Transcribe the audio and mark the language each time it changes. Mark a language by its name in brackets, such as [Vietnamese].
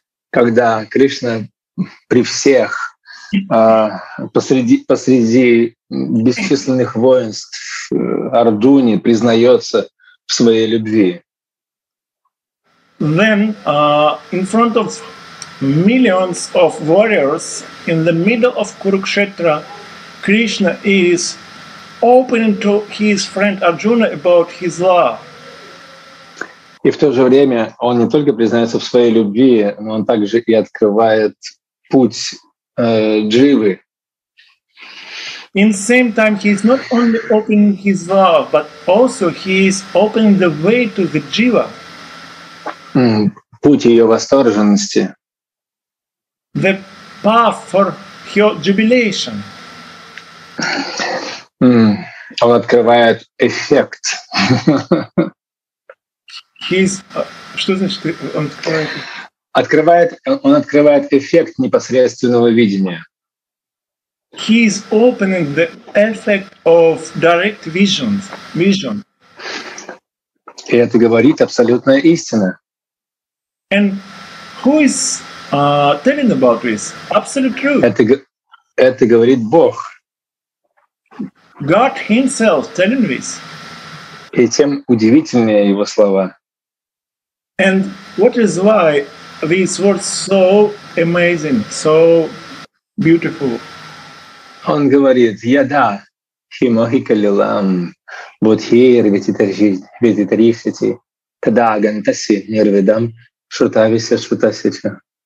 [Russian] Когда Кришна при всех посреди бесчисленных воинств Арджуны признается в своей любви. [English] Then, in front of millions of warriors in the middle of Kurukshetra, Krishna is opening to his friend Arjuna about his love. [Russian] И в то же время он не только признается в своей любви, но он также и открывает путь дживы. [English] In same time, he is not only opening his love, but also he is opening the way to the jiva. [Russian] Путь ее восторженности. [English] The path for her jubilation. [Russian] Он открывает эффект. Что значит он открывает? Он открывает эффект непосредственного видения. [English] He is opening the effect of direct visions, vision. [Russian] И это говорит абсолютная истина. [English] And who is telling about this? Absolute truth. [Russian] Это говорит Бог. [English] God himself telling this. [Russian] И тем удивительнее его слова. [English] And what is why these words so amazing, so beautiful? [Russian] Он говорит, я да, химохикалилам, будхир, вититарифити, тадагантаси, нирвидам, шрутависи, шрутасича.